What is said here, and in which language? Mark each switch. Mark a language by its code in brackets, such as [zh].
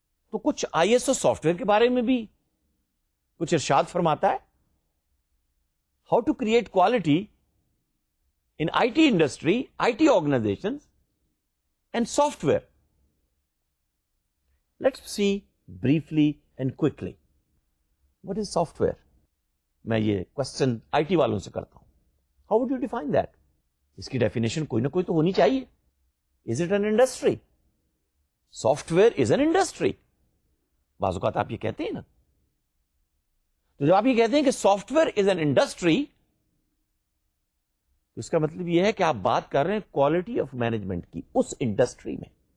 [ur] تو کچھ I S O soft where کے بارے میں بھی کچھ ارشاد فرماتا ہے, [en] How to create quality in I T industry, I T organization and software. Let's see briefly and quickly what is software. [ur] میں یہ کوشچن آئی ٹی والوں سے کرتا ہوں, [en] How would you define that? [ur] اس کی definition کوئی نہ کوئی تو ہونی چاہیے. [en] Is it an industry? Software is an industry. [ur] بعض اوقات آپ یہ کہتے ہیں نا, تو جب آپ یہ کہتے ہیں کہ [en] software is an industry, [ur] اس کا مطلب یہ ہے کہ آپ بات کر رہے ہیں کوالٹی آف مینجمنٹ کی اس انڈسٹری میں.